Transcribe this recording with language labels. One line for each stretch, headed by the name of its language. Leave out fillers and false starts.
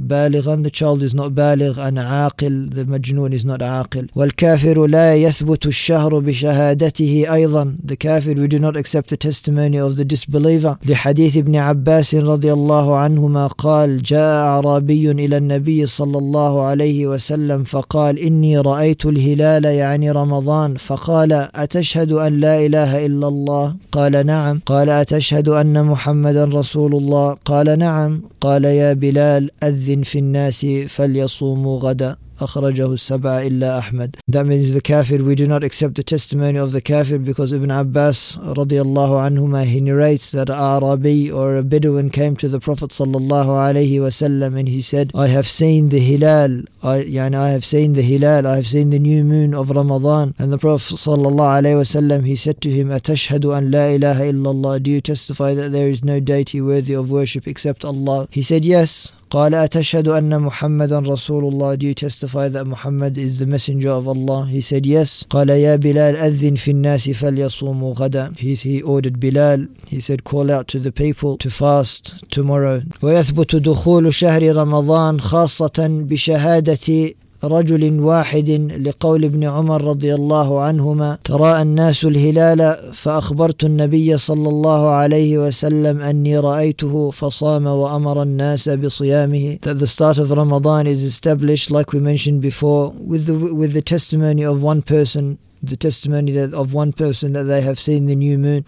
Arabic: بالغا
English: the child is not
Arabic: بالغ and عاقل the مجنون is not عاقل والكافر لا يثبت الشهر بشهادته أيضا
English: the kafir we do not accept the testimony of the disbeliever
Arabic: لحديث ابن عباس رضي الله عنهما قال جاء عربي إلى النبي صلى الله عليه وسلم فقال إني رأيت الهلال يعني رمضان فقال أتشهد أن لا إله إلا الله؟ قال نعم. قال أتشهد أن محمدا رسول الله؟ قال نعم. قال يا بلال أذن في الناس فليصوموا غدا. أخرجه السبعة إلا أحمد.
English: That means the kafir. We do not accept the testimony of the kafir because Ibn Abbas رضي الله عنهما he narrates that an Arabi or a Bedouin came to the Prophet صلى الله عليه وسلم and he said, I have seen the hilal. I have seen the new moon of Ramadan. And the Prophet صلى الله عليه وسلم he said to him,
Arabic: أتشهد أن لا إله إلا الله.
English: Do you testify that there is no deity worthy of worship except Allah? He said yes.
Arabic: قال أتشهد أن محمدا رسول الله
English: Do you testify that Muhammad is the messenger of Allah? He said yes.
Arabic: قال يا بلال أذن في الناس فليصوموا غدا
English: He ordered Bilal. He said call out to the people to fast tomorrow.
Arabic: ويثبت دخول شهر رمضان خاصة بشهادة رجل واحد لقول ابن عمر رضي الله عنهما ترى الناس الهلال فأخبرت النبي صلى الله عليه وسلم أني رأيته فصام وأمر الناس بصيامه
English: That the start of Ramadan is established like we mentioned before with the testimony of one person The testimony that of one person that they have seen the new moon.